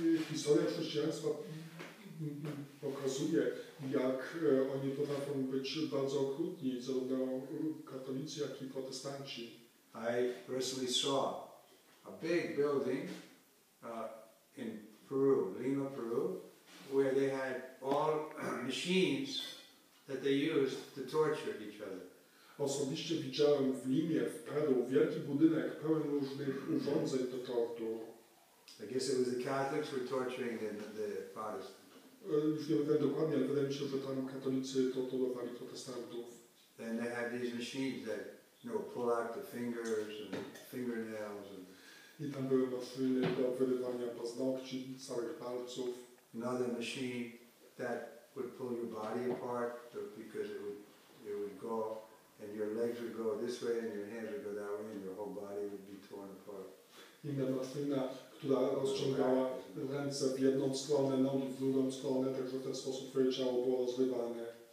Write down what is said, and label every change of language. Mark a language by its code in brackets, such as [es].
[pl] Historia chrześcijaństwa pokazuje, jak oni potrafią być bardzo okrutni, zarówno katolicy, jak i protestanci. [en] I personally saw a big building in Peru, Lima, Peru, where they had all machines that they used to torture each other. [pl] Osobiście widziałem w Limie, w Peru, wielki budynek pełen różnych urządzeń do tortur. [en] I guess it was the Catholics were torturing the Protestants. [pl] Już nie wiem dokładnie, ale wydaje mi się, że tam katolicy torturowali protestantów. [en] Then they had these machines that, you know, pull out the fingers and fingernails. [pl] I tam były maszyny do wyrywania paznokci, całych palców. [en] Another machine that would pull your body apart because it would go and your legs would go this way and your hands would go that way and your whole body would be torn apart. [pl] Inna maszyna, która rozciągała ręce w jedną stronę, nogi w drugą stronę, także w ten sposób twoje ciało było rozrywane.